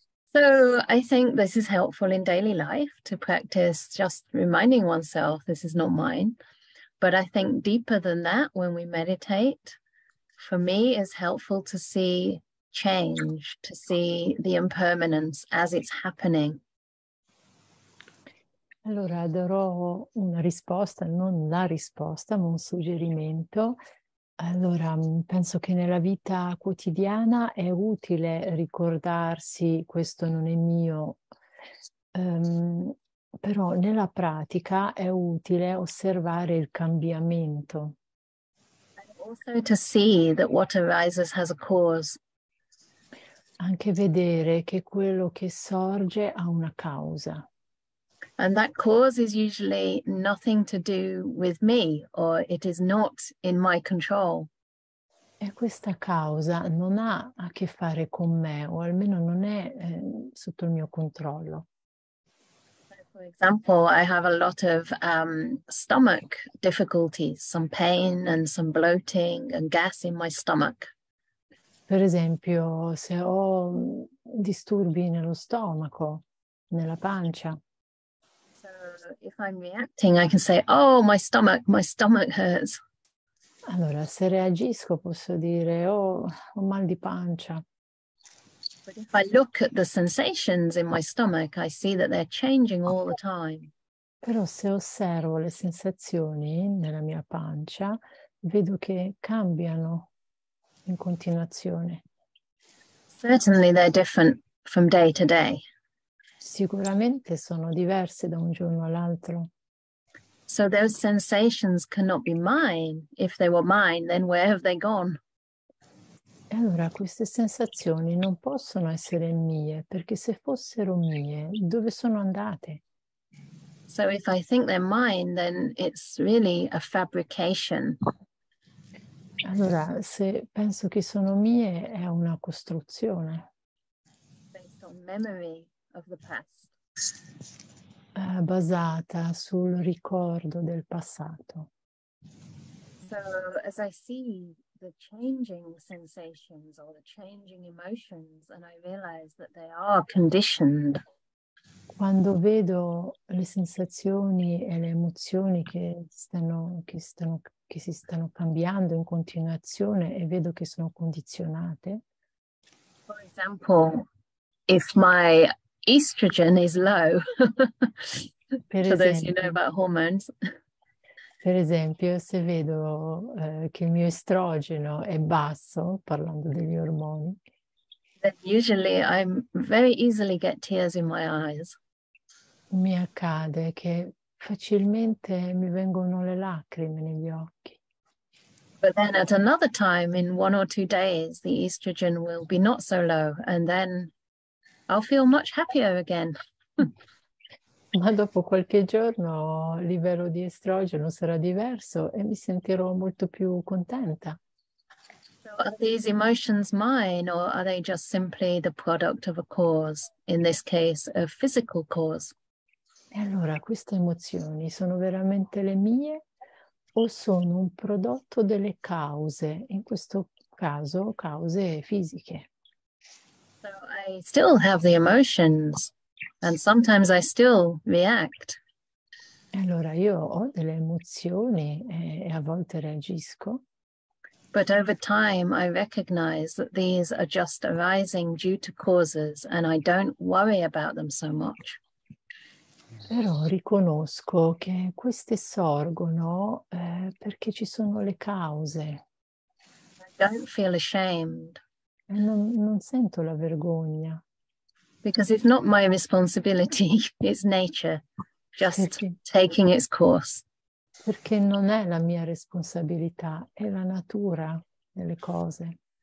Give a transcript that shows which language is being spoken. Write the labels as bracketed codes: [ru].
[en] So I think this is helpful in daily life to practice just reminding oneself this is not mine. But I think deeper than that, when we meditate, for me is helpful to see change, to see the impermanence as it's happening. [it] Allora, darò una risposta, non la risposta, ma un suggerimento. Allora, penso che nella vita quotidiana è utile ricordarsi questo non è mio, però nella pratica è utile osservare il cambiamento. [en] Also to see that what arises has a cause. [it] Anche vedere che quello che sorge ha una causa. [en] And that cause is usually nothing to do with me, or it is not in my control. [it] E questa causa non ha a che fare con me, o almeno non è sotto il mio controllo. [en] For example, I have a lot of stomach difficulties, some pain and some bloating and gas in my stomach. [it] Per esempio, se ho disturbi nello stomaco, nella pancia. [en] If I'm reacting, I can say, oh, my stomach hurts. [it] Allora, se reagisco, posso dire, oh, ho mal di pancia. [en] But if I look at the sensations in my stomach, I see that they're changing all the time. [it] Però se osservo le sensazioni nella mia pancia, vedo che cambiano in continuazione. [en] Certainly they're different from day to day. [it] Sicuramente sono diverse da un giorno all'altro. [en] So those sensations cannot be mine. If they were mine, then where have they gone? [it] E allora queste sensazioni non possono essere mie, perché se fossero mie, dove sono andate? [en] So if I think they're mine, then it's really a fabrication. [it] Allora, se penso che sono mie, è una costruzione. [en] Based on memory. Of the past. [it] Basata sul ricordo del passato. [en] So as I see the changing sensations or the changing emotions and I realize that they are conditioned. [it] Quando vedo le sensazioni e le emozioni che si stanno cambiando in continuazione e vedo che sono condizionate. [en] For example, if my estrogen is low. [it] Per [en] for those who know about hormones. [it] Per esempio, se vedo che il mio estrogeno è basso, parlando degli ormoni, [en] then usually I very easily get tears in my eyes. [it] Mi accade che facilmente mi vengono le lacrime negli occhi. [en] But then at another time, in one or two days, the estrogen will be not so low, and then I'll feel much happier again. [it] Ma dopo qualche giorno il livello di estrogeno sarà diverso e mi sentirò molto più contenta. [en] So are these emotions mine or are they just simply the product of a cause, in this case a physical cause? [it] E allora queste emozioni sono veramente le mie o sono un prodotto delle cause, in questo caso cause fisiche? [en] I still have the emotions and sometimes I still react. [it] Allora io ho delle emozioni e a volte reagisco. [en] But over time I recognize that these are just arising due to causes and I don't worry about them so much. [it] Però riconosco che queste sorgono perché ci sono le cause. [en] I don't feel ashamed. [it] Non sento la vergogna. [en] Because it's not my responsibility, it's nature, just perché, taking its course. [it] Perché non è la mia responsabilità, è la natura delle cose.